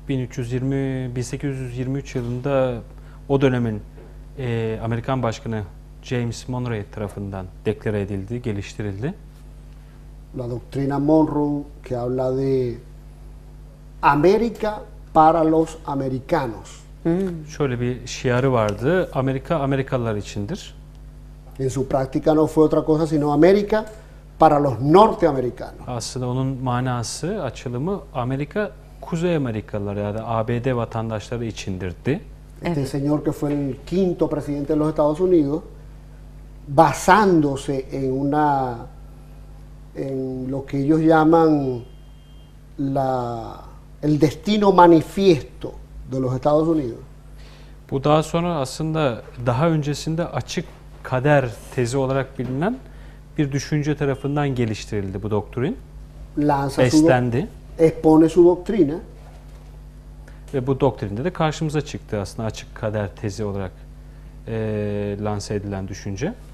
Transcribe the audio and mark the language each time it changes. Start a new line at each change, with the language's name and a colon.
Turkish: 1823 yılında o dönemin Amerikan başkanı James Monroe tarafından deklare edildi, geliştirildi.
Spanish: La doctrina Monroe que habla de América para los americanos.
Turkish: Şöyle bir şiarı vardı. Amerika Amerikalılar içindir.
Spanish: En su práctica no fue otra cosa sino América para los norteamericanos.
Turkish: Aslında onun manası, açılımı Amerika Kuzey Amerikalılar ya da ABD vatandaşları içindirdi.
Spanish: Este señor que fue el quinto presidente de los Estados Unidos basándose en una en lo que ellos llaman la el destino manifiesto de los Estados Unidos.
Turkish: Bu daha sonra aslında daha öncesinde açık kader tezi olarak bilinen bir düşünce tarafından geliştirildi bu doktrin.
Spanish: Lanza
Turkish: Beslendi.
Spanish: Expone su doctrina.
Turkish: Ve bu doktrinde de karşımıza çıktı aslında açık kader tezi olarak lanse edilen düşünce.